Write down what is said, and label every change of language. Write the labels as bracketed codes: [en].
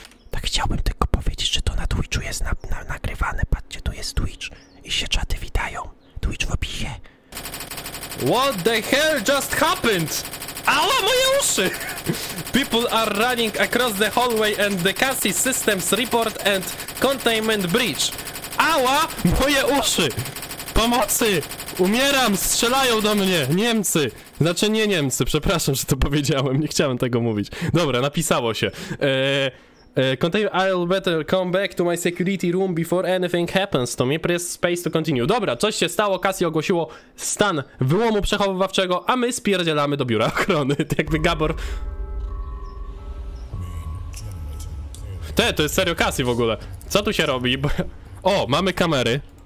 [pl] Tak, chciałbym tylko powiedzieć, że to na Twitchu jest nagrywane. Patrzcie, tu jest Twitch. I się czaty witają. Twitch w opisie. [en] What the hell just happened? [pl] Ała, moje uszy! [en] People are running across the hallway and the Cassie systems report and containment breach. [pl] Ała, moje uszy! Pomocy! Umieram, strzelają do mnie, Niemcy! Znaczy nie Niemcy, przepraszam, że to powiedziałem, nie chciałem tego mówić. Dobra, napisało się. [en] I'll better come back to my security room before anything happens to me, press space to continue. [pl] Dobra, coś się stało, Cassie ogłosiło stan wyłomu przechowywawczego, a my spierdzielamy do biura ochrony, jakby Gabor... Te, to jest serio Cassie w ogóle. Co tu się robi? O, mamy kamery.